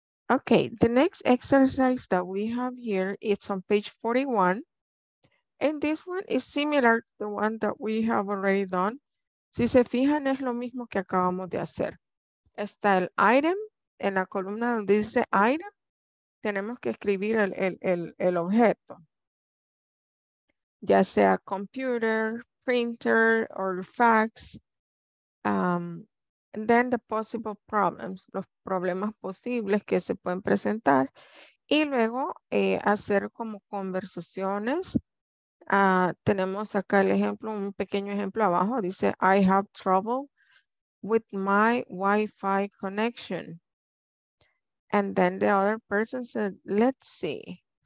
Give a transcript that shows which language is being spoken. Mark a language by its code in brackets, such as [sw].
[en] Okay, the next exercise that we have here, it's on page 41. And this one is similar to the one that we have already done. [es] Si se fijan, es lo mismo que acabamos de hacer. Está el item en la columna donde dice item. Tenemos que escribir el objeto. Ya sea computer, printer, or fax. [en] And then the possible problems, [es] los problemas posibles que se pueden presentar. Y luego hacer como conversaciones. Tenemos acá el ejemplo, un pequeño ejemplo abajo. Dice, [en] I have trouble with my Wi-Fi connection. And then the other person said, let's see.